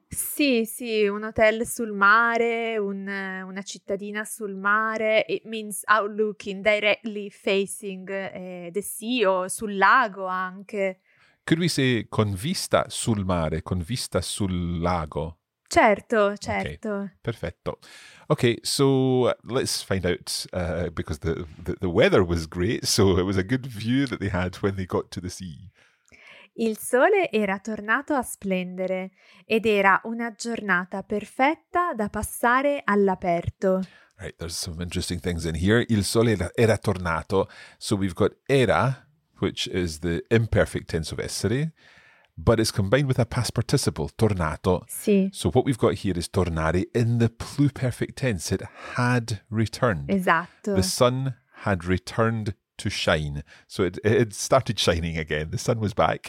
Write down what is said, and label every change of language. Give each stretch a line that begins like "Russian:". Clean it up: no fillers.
Italian: Sì, sì, un hotel sul mare, una cittadina sul mare,
English: it means outlooking, directly facing the sea
Italian: o sul lago anche.
English: Could we say
Italian: con vista sul mare, con vista sul lago? Certo, certo. Okay, perfetto.
English: Okay, so let's find out, because the weather was great, so it was a good view that they had when they got to the sea.
Italian: Il sole era tornato a splendere ed era una giornata perfetta da passare all'aperto.
English: Right, there's some interesting things in here.
Italian: Il sole era tornato.
English: So we've got era, which is the imperfect tense of essere, but it's combined with a past participle, tornato.
Italian: Sì.
English: So what we've got here is tornare in the pluperfect tense. It had returned.
Italian: Esatto.
English: The sun had returned to shine. So it started shining again. The sun was back.